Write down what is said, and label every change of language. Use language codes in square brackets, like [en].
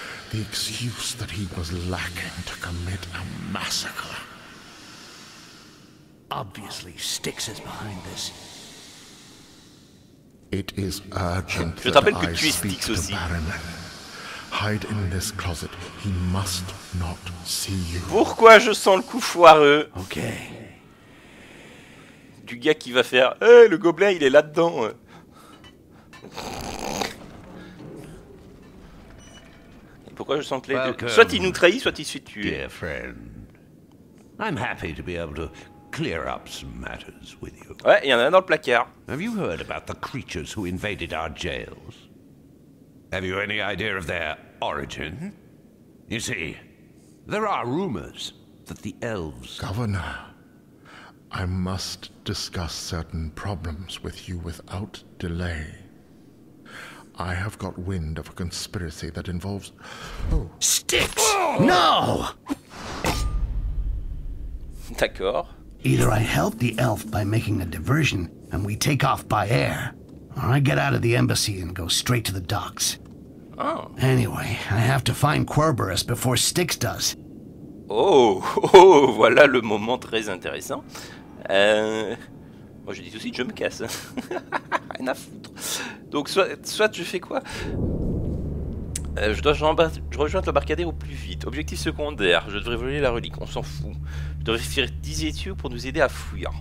[en] The excuse that he was lacking to commit a massacre. Obviously, Styx is behind this. It is urgent that I speak to Baron. Hide in this closet. He must not see you. [fr] Pourquoi je sens le coup foireux? Ok. Du gars qui va faire hey, le gobelin, il est là-dedans. Et pourquoi je sens que les deux... Soit il nous trahit, soit il se fait tuer. [en] Dear friend, I'm happy to be able to clear up some matters with you. [fr] Ouais, il y en a un dans le placard. [en] Have you heard about the creatures who invaded our jails? Have you any idea of their origin? You see, there are rumors that the elves... Governor, I must discuss certain problems with you without delay. I have got wind of a conspiracy that involves... Oh. Styx! Oh! No! [fr] D'accord. [en] Either I help the elf by making a diversion and we take off by air, or I get out of the embassy and go straight to the docks. Oh. Anyway, I have to find Querberus before Styx does. [fr] Oh, voilà le moment très intéressant. Moi, je dis tout de suite, je me casse. Rien à foutre. Donc, soit je fais quoi? Je rejoins l'embarcadère au plus vite. Objectif secondaire, je devrais voler la relique. On s'en fout. Je devrais faire 10 étuis pour nous aider à fouiller.